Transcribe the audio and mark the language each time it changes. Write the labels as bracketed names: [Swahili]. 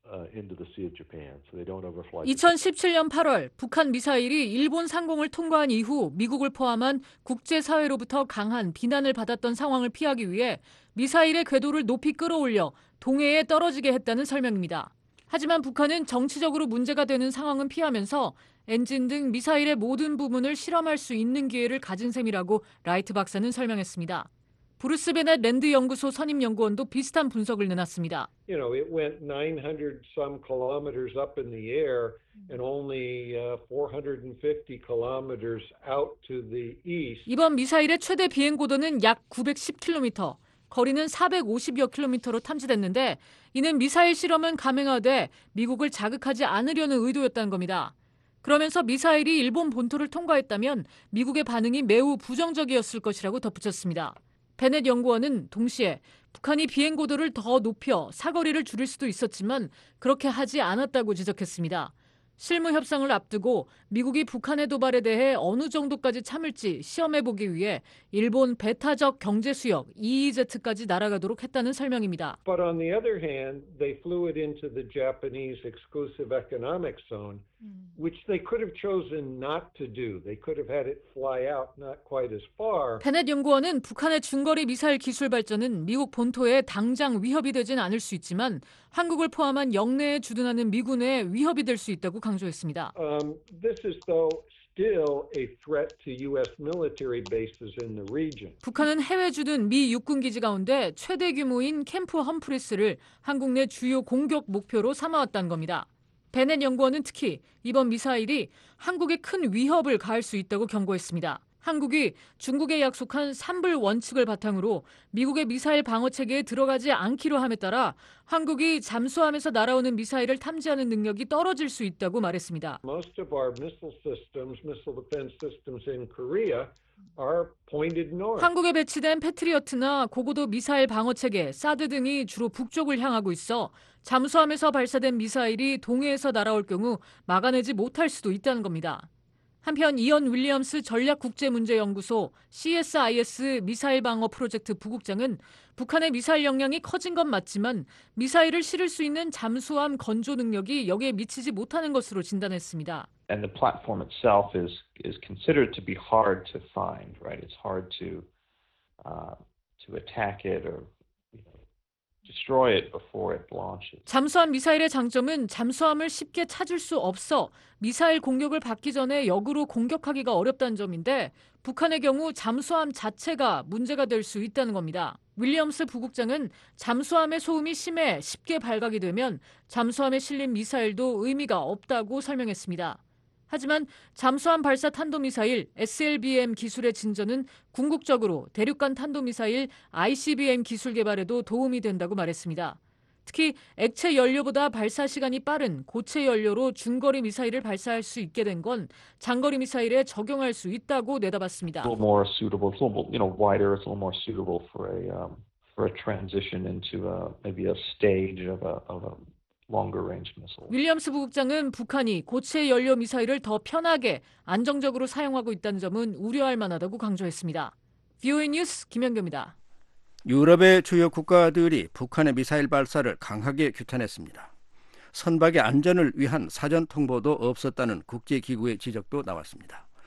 [Korean] 2017년 8월 북한 미사일이 일본 상공을 통과한 이후 미국을 포함한 국제사회로부터 강한 비난을 받았던 상황을 피하기 위해 미사일의 궤도를 높이 끌어올려 동해에 떨어지게 했다는 설명입니다. 하지만 북한은 정치적으로 문제가 되는 상황은 피하면서 엔진 등 미사일의 모든 부분을 실험할 수 있는 기회를 가진 셈이라고 라이트 박사는 설명했습니다. 브루스 베넷 랜드 연구소 선임 연구원도 비슷한 분석을 내놨습니다. [English] You know, it went 900 some kilometers up in the air and only 450 kilometers out to the east. [Korean] 이번 미사일의 최대 비행 고도는 약 910km. 거리는 450여 킬로미터로 탐지됐는데 이는 미사일 실험은 감행하되 미국을 자극하지 않으려는 의도였다는 겁니다. 그러면서 미사일이 일본 본토를 통과했다면 미국의 반응이 매우 부정적이었을 것이라고 덧붙였습니다. 베넷 연구원은 동시에 북한이 비행 고도를 더 높여 사거리를 줄일 수도 있었지만 그렇게 하지 않았다고 지적했습니다. 실무 협상을 앞두고 미국이 북한의 도발에 대해 어느 정도까지 참을지 시험해보기 위해 일본 배타적 경제수역 EEZ까지 날아가도록 했다는 설명입니다. [English] But on the other hand, they flew it into the Japanese exclusive economic zone, which they could have chosen not to do. They could have had it fly out not quite as far. [Korean] 베넷 연구원은 북한의 중거리 미사일 기술 발전은 미국 본토에 당장 위협이 되진 않을 수 있지만 한국을 포함한 영내에 주둔하는 미군에 위협이 될 수 있다고 강조했습니다. [English] This is though still a threat to US military bases in the region. [Korean] 북한은 해외 주둔 미 육군 기지 가운데 최대 규모인 캠프 험프리스를 한국 내 주요 공격 목표로 삼아왔다는 겁니다. 베넷 연구원은 특히 이번 미사일이 한국에 큰 위협을 가할 수 있다고 경고했습니다. 한국이 중국에 약속한 3불 원칙을 바탕으로 미국의 미사일 방어 체계에 들어가지 않기로 함에 따라 한국이 잠수함에서 날아오는 미사일을 탐지하는 능력이 떨어질 수 있다고 말했습니다. [English] Most of our missile systems, missile defense systems in Korea are pointed north. [Korean] 한국에 배치된 패트리어트나 고고도 미사일 방어 체계, 사드 등이 주로 북쪽을 향하고 있어 잠수함에서 발사된 미사일이 동해에서 날아올 경우 막아내지 못할 수도 있다는 겁니다. 한편 이언 윌리엄스 전략국제문제연구소 CSIS 미사일 방어 프로젝트 부국장은 북한의 미사일 역량이 커진 건 맞지만 미사일을 실을 수 있는 잠수함 건조 능력이 여기에 미치지 못하는 것으로 진단했습니다. [English] And the platform itself is considered to be hard to find, right? It's hard to attack it or destroy it before it launches. [Korean] 잠수함 미사일의 장점은 잠수함을 쉽게 찾을 수 없어 미사일 공격을 받기 전에 역으로 공격하기가 어렵다는 점인데 북한의 경우 잠수함 자체가 문제가 될 수 있다는 겁니다. 윌리엄스 부국장은 잠수함의 소음이 심해 쉽게 발각이 되면 잠수함에 실린 미사일도 의미가 없다고 설명했습니다. 하지만 잠수함 발사 탄도미사일 SLBM 기술의 진전은 궁극적으로 대륙간 탄도미사일 ICBM 기술 개발에도 도움이 된다고 말했습니다. 특히 액체 연료보다 발사 시간이 빠른 고체 연료로 중거리 미사일을 발사할 수 있게 된 건 장거리 미사일에 적용할 수 있다고 내다봤습니다. [English] It's a little more suitable, it's a little more, you know, wider, it's a little more suitable for a transition into a, maybe a stage of a longer range missile. [Korean] 윌리엄스 부국장은 북한이 고체 연료 미사일을 더 편하게 안정적으로 사용하고 있다는 점은 우려할 만하다고 강조했습니다. VOA 뉴스 김연경입니다. 유럽의 주요 국가들이 북한의 미사일 발사를 강하게 규탄했습니다. 선박의 안전을 위한 사전 통보도 없었다는 국제기구의 지적도 나왔습니다.